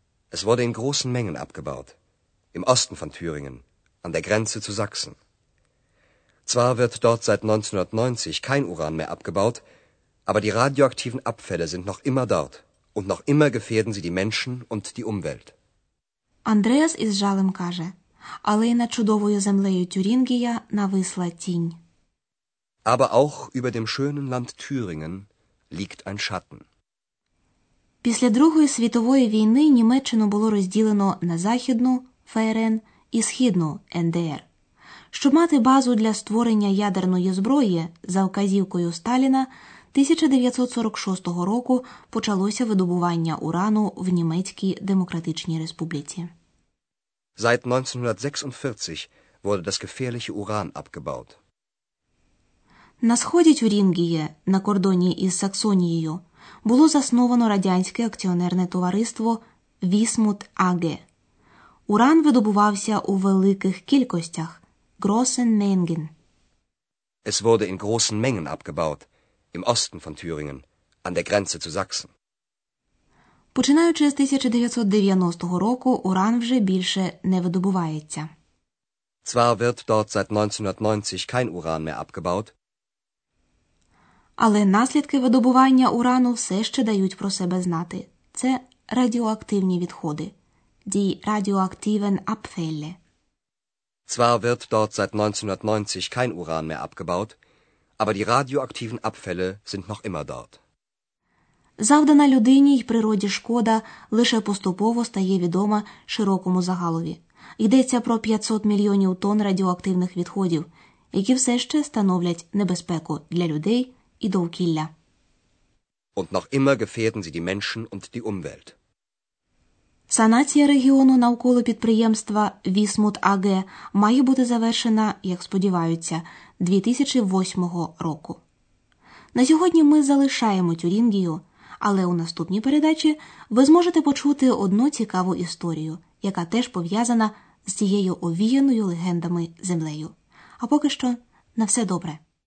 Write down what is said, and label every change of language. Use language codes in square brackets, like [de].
[de] Es wurde in großen Mengen abgebaut, im Osten von Thüringen, an der Grenze zu Sachsen. Zwar wird dort seit 1990 kein Uran mehr abgebaut, aber die radioaktiven Abfälle sind noch immer dort und noch immer gefährden sie die Menschen und die Umwelt. [uk] Андреас із жалем каже: "Але й над чудовою землею Тюрінгія нависла тінь". [de] Aber auch über dem schönen Land Thüringen liegt ein Schatten. [uk] Після Другої світової війни Німеччину було розділено на Західну – ФРН і Східну – НДР. Щоб мати базу для створення ядерної зброї, за вказівкою Сталіна, 1946 року почалося видобування урану в Німецькій Демократичній Республіці. [de] Seit 1946 wurde das gefährliche Uran abgebaut. [uk] На сході Тюрінгії, на кордоні із Саксонією, було засновано радянське акціонерне товариство «Вісмут АГ». Уран видобувався у великих кількостях, [de] großen Mengen. Es wurde in großen Mengen abgebaut, im Osten von Thüringen, an der Grenze zu Sachsen. [uk] Починаючи з 1990 року, уран вже більше не видобувається. [de] Zwar wird dort seit 1990 kein Uran mehr abgebaut. [uk] Але наслідки видобування урану все ще дають про себе знати. Це радіоактивні відходи. [de] Die radioaktiven Abfälle. Zwar wird dort seit 1990 kein Uran mehr abgebaut, aber die radioaktiven Abfälle sind noch immer dort. [uk] Завдана людині й природі шкода лише поступово стає відома широкому загалові. Йдеться про 500 мільйонів тонн радіоактивних відходів, які все ще становлять небезпеку для людей і довкілля. [de] Und noch immer gefährden sie die Menschen und die Umwelt. [uk] Санація регіону навколо підприємства Вісмут АГ має бути завершена, як сподіваються, 2008 року. На сьогодні ми залишаємо Тюрінгію, але у наступній передачі ви зможете почути одну цікаву історію, яка теж пов'язана з цією овіяною легендами землею. А поки що, на все добре!